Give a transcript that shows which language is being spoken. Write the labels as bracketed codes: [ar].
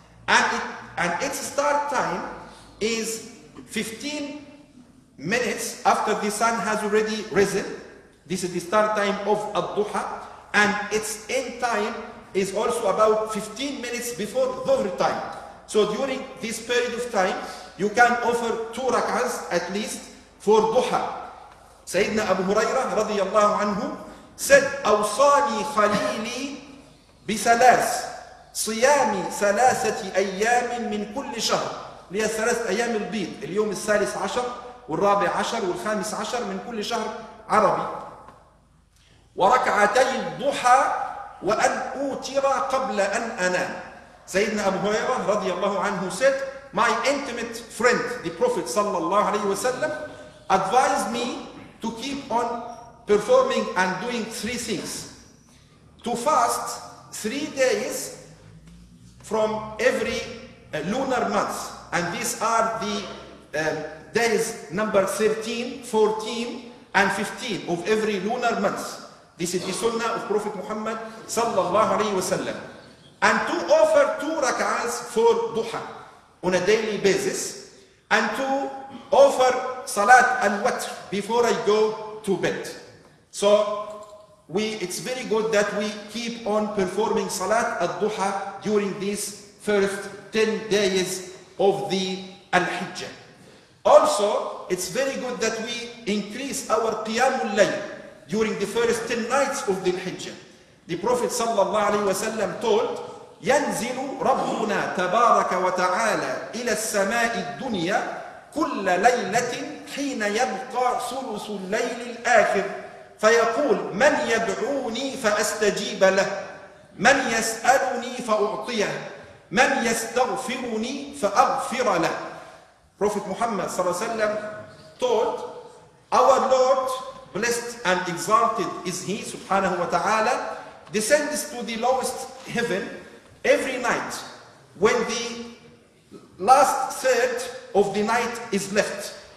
[en] And its start time is 15 minutes after the sun has already risen. This is the start time of al-Duha. And its end time is also about 15 minutes before dhuhr time. So during this period of time, you can offer 2 rak'ahs at least for duha. [ar] Sayyidina Abu Huraira radiyallahu anhu said, أوصاني خليلي بثلاث صيامي ثلاثة أيام من كل شهر. هي ثلاث أيام البيض، اليوم الثالث عشر والرابع عشر والخامس عشر من كل شهر عربي، وركعتي الضحى وأن أوتر قبل أن أنام. [en] سيدنا أبو هريرة رضي الله عنه said, my intimate friend, the Prophet صلى الله عليه وسلم, advised me to keep on performing and doing 3 things. To fast 3 days from every lunar month. And these are the days number 13, 14, and 15 of every lunar month. This is the sunnah of Prophet Muhammad sallallahu alayhi wa sallam. And to offer 2 rak'ahs for duha on a daily basis. And to offer salat al-watr before I go to bed. So it's very good that we keep on performing Salat al-Duha during these first 10 days of the Al-Hijjah. Also, it's very good that we increase our Qiyamul Layl during the first 10 nights of the Al-Hijjah. [ar] The Prophet sallallahu alayhi wa sallam told, يَنْزِلُ رَبُّنَا تَبَارَكَ وَتَعَالَى إِلَى السَّمَاءِ الدُّنْيَا كُلَّ لَيْلَةٍ حِينَ يَبْقَى ثُلُثُ اللَّيْلِ الْآخِرِ. فيقول: من يدعوني فأستجيب له، من يسألني فأعطيه، من يستغفرني فأغفر له. [en] Prophet Muhammad صلى الله عليه وسلم taught, our Lord, blessed and exalted is He, subhanahu wa ta'ala, descends to the lowest heaven every night when the last third of the night is left.